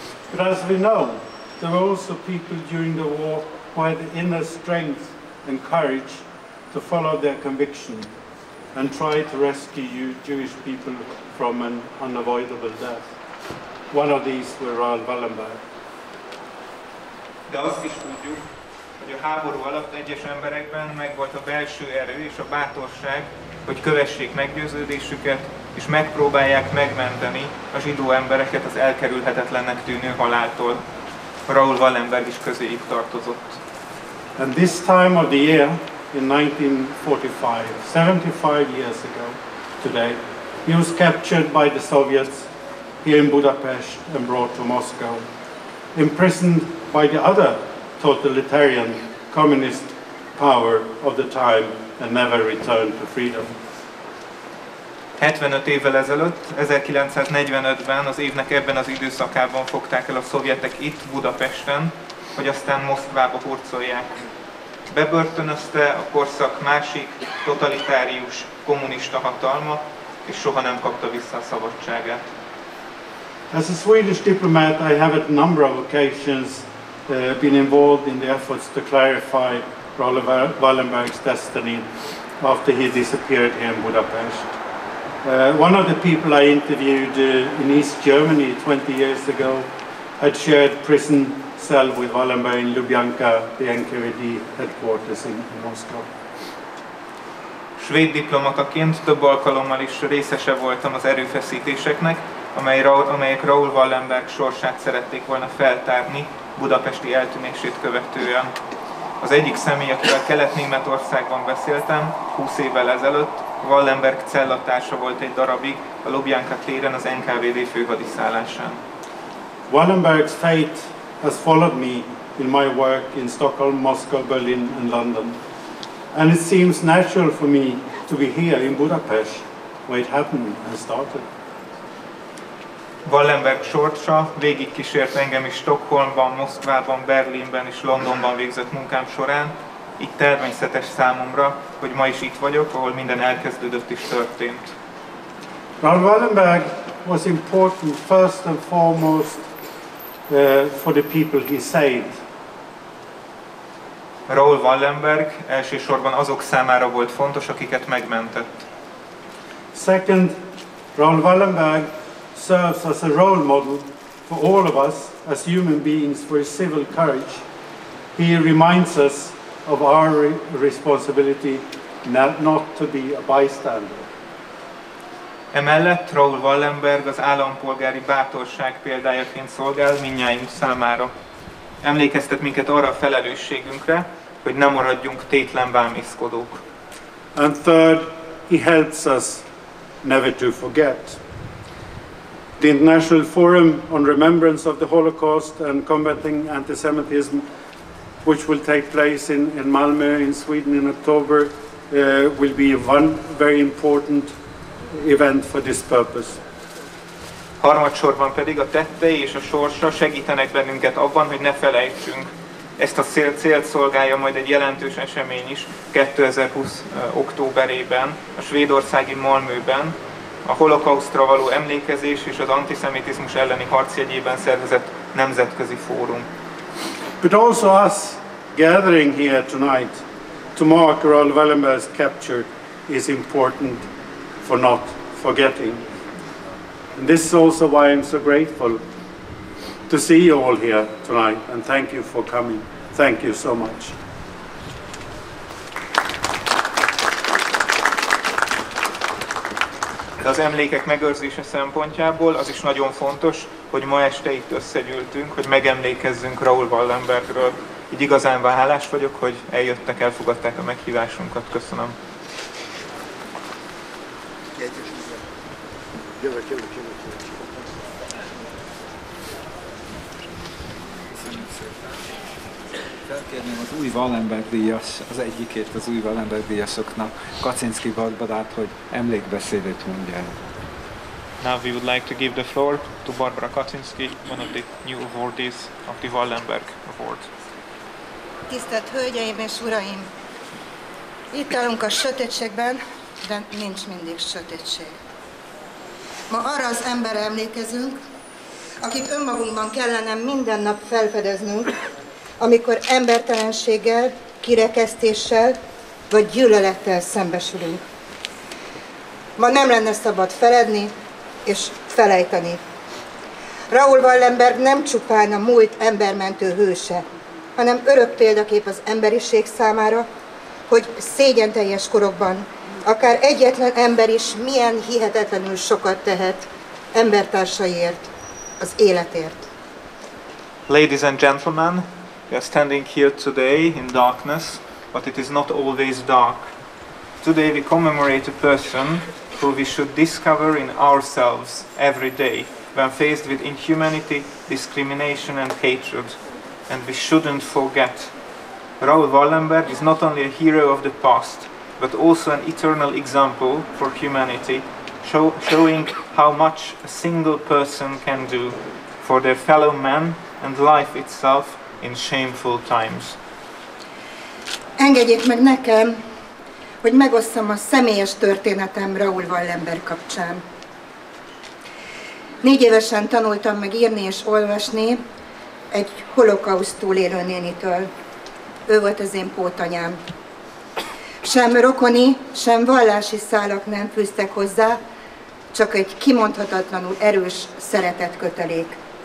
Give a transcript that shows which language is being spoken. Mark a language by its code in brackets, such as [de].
[en] But as we know, there were also people during the war who had the inner strength and courage to follow their conviction and try to rescue Jewish people from an unavoidable death. One of these was Raoul Wallenberg. [hu] De azt is tudjuk, hogy a háború alatt egyes emberekben megvolt a belső erő és a bátorság, hogy kövessék meggyőződésüket és megpróbálják megmenteni a zsidó embereket az elkerülhetetlennek tűnő haláltól. Raoul Wallenberg is közéjük tartozott. [en] And this time of the year, in 1945, 75 years ago today, he was captured by the Soviets here in Budapest and brought to Moscow, imprisoned by the other totalitarian communist power of the time and never returned to freedom. [hu] 75 évvel ezelőtt, 1945-ben, az évnek ebben az időszakában fogták el a szovjetek itt, Budapesten, hogy aztán Moszkvába hurcolják. Bebörtönözte a korszak másik totalitárius kommunista hatalma, és soha nem kapta vissza a szabadságát. [en] As a Swedish diplomat, I have at a number of occasions been involved in the efforts to clarify Raoul Wallenberg's destiny after he disappeared here in Budapest. One of the people I interviewed in East Germany 20 years ago had shared prison cell with Wallenberg in Lubyanka, the NKVD headquarters in Moscow. [hu] Svéd diplomataként több alkalommal is részese voltam az erőfeszítéseknek, amelyek Raoul Wallenberg sorsát szerették volna feltárni budapesti eltűnését követően. Az egyik személy, akivel Kelet-Németországban beszéltem, 20 évvel ezelőtt, Wallenberg cellatársa volt egy darabig a Lubjanka téren az NKVD főhadiszállásán. [en] Wallenberg's fate has followed me in my work in Stockholm, Moscow, Berlin and London. And it seems natural for me to be here in Budapest, where it happened and started. [hu] Wallenberg sorsa végigkísért engem is Stockholmban, Moszkvában, Berlinben és Londonban végzett munkám során. Így természetes számomra, hogy ma is itt vagyok, ahol minden elkezdődött és történt. [en] Raoul Wallenberg was important first and foremost for the people he saved. [hu] Raoul Wallenberg elsősorban azok számára volt fontos, akiket megmentett. [en] Second, Raoul Wallenberg serves as a role model for all of us as human beings for his civil courage. He reminds us of our responsibility not to be a bystander. [hu] Emellett Raoul Wallenberg az állampolgári bátorság példájaként szolgál mindnyájunk számára. Emlékeztet minket arra a felelősségünkre, hogy ne maradjunk tétlen bámészkodók. [en] And third, he helps us never to forget. The International Forum on Remembrance of the Holocaust and Combating Antisemitism, which will take place in Malmö in Sweden in October, will be one very important event for this purpose. [hu] Harmadsorban pedig a tettei és a sorsa segítenek bennünket abban, hogy ne felejtsünk. Ezt a célt szolgálja majd egy jelentős esemény is 2020 októberében a svédországi Malmöben, a holokausztra való emlékezés és az antiszemitizmus elleni harc jegyében szervezett nemzetközi fórum. [en] But also us gathering here tonight to mark Raoul Wallenberg's capture is important for not forgetting. And this is also why I'm so grateful to see you all here tonight and thank you for coming. Thank you so much. [hu] De az emlékek megőrzése szempontjából az is nagyon fontos, hogy ma este itt összegyűltünk, hogy megemlékezzünk Raoul Wallenbergről. Így igazán hálás vagyok, hogy eljöttek, elfogadták a meghívásunkat. Köszönöm. Felkérném az új Wallenberg díjas, az egyikét az új Wallenberg díjasoknak, Kaczynski Barbarát, hogy emlékbeszédét mondja. [en] Now we would like to give the floor to Barbara Kaczynski, one of the new awardees of the Wallenberg Award. [hu] Tisztelt hölgyeim és uraim! Itt állunk a sötétségben, de nincs mindig sötétség. Ma arra az emberre emlékezünk, akit önmagunkban kellene minden nap felfedeznünk, amikor embertelenséggel, kirekesztéssel vagy gyűlölettel szembesülünk. Ma nem lenne szabad feledni és felejteni. Raoul Wallenberg nem csupán a múlt embermentő hőse, hanem örök példakép az emberiség számára, hogy szégyenteljes korokban akár egyetlen ember is milyen hihetetlenül sokat tehet embertársaiért, az életért. [en] Ladies and gentlemen, We are standing here today in darkness, but it is not always dark. Today we commemorate a person who we should discover in ourselves every day when faced with inhumanity, discrimination and hatred. And we shouldn't forget. Raoul Wallenberg is not only a hero of the past, but also an eternal example for humanity, showing how much a single person can do for their fellow man and life itself in shameful times. [hu] Engedjék meg nekem, hogy megosszam a személyes történetem Raoul Wallenberg kapcsán. 4 évesen tanultam meg írni és olvasni egy holokauszt túlélő nénitől. Ő volt az én pótanyám. Sem rokoni, sem vallási szálak nem fűztek hozzá, csak egy kimondhatatlanul erős szeretet kötelék.